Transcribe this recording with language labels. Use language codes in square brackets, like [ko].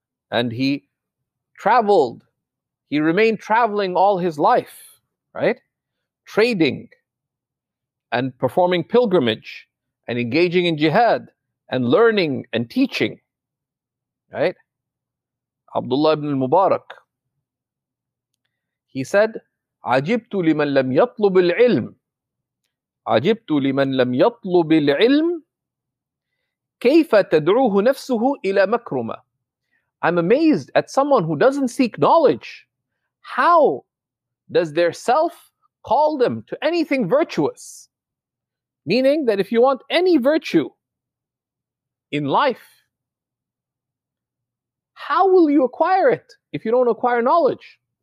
[en] And he traveled, he remained traveling all his life, right? Trading and performing pilgrimage and engaging in jihad and learning and teaching, right? Abdullah ibn al-Mubarak, he said, [ar] عَجِبْتُ لِمَنْ لَمْ يَطْلُبِ الْعِلْمِ عَجِبْتُ لِمَنْ لَمْ يَطْلُبِ الْعِلْمِ كَيْفَ تَدْعُوهُ نَفْسُهُ إِلَى مَكْرُمَ. [en] I'm amazed at someone who doesn't seek knowledge. How does their self call them to anything virtuous? Meaning that if you want any virtue in life, how will you acquire it if you don't acquire knowledge?